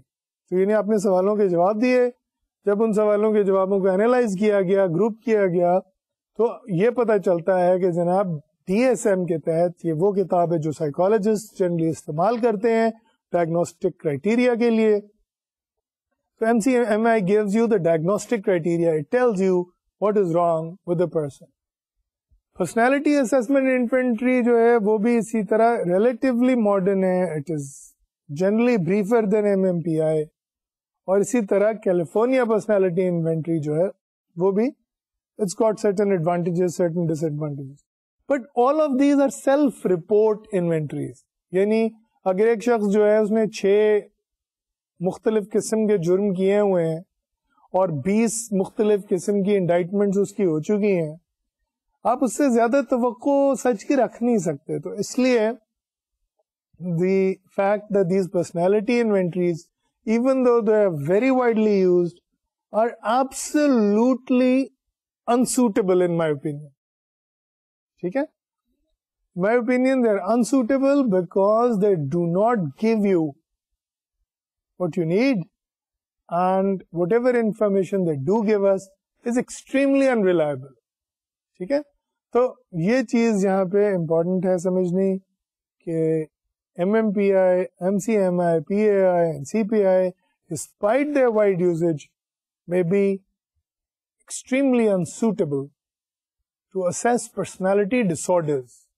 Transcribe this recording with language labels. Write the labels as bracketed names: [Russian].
[Urdu] تو یعنی آپ نے سوالوں کے جواب دیے, جب ان سوالوں کے جوابوں کو انالائز کیا گیا, گروپ کیا گیا, تو یہ پتہ چلتا ہے کہ جناب ڈی ایس ایم کے تحت یہ وہ کتاب ہے جو سائیکالوجسٹ جنرلی استعمال کرتے ہیں ڈائگنوسٹک کرائٹیریا کے لیے. [English] تو M C M I gives you the diagnostic criteria, it tells you what is wrong with the person. Personality assessment inventory [Urdu] جو ہے وہ بھی اسی طرح [English] relatively modern ہے, it is generally briefer than M M P I, [Urdu] اور اسی طرح [English] California personality inventory [Urdu] جو ہے وہ بھی [English] It's got certain advantages certain disadvantages, but all of these are self report inventories. [Urdu] یعنی اگر ایک شخص جو ہے اس نے 6 مختلف قسم کے جرم کیے ہوئے ہیں اور 20 مختلف قسم کی انڈائٹمنٹس اس کی ہو چکی ہیں, آپ اس سے زیادہ توقع سچ کی رکھ نہیں سکتے. تو اس لیے [English] the fact that these personality inventories even though they are very widely used are absolutely unsuitable in my opinion, [Urdu] ٹھیک ہے, [English] My opinion they are unsuitable because they do not give you what you need and whatever information they do give us is extremely unreliable, ٹھیک ہے. [Urdu] تو یہ چیز یہاں پہ important ہے سمجھنی کہ [English] M M P I, M C M I, P A I, N C P I, despite their wide usage may be extremely unsuitable to assess personality disorders.